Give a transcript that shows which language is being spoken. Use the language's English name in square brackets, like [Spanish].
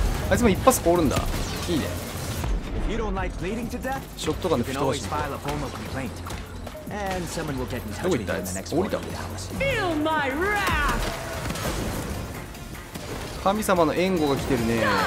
[Japanese] あいつも一発凍るんだ。いいね。ショットガンで吹き飛ばしてみて。 [English] And someone will get in touch with me in the next 48 hours. Feel my wrath! [Japanese] 神様の援護が来てるね。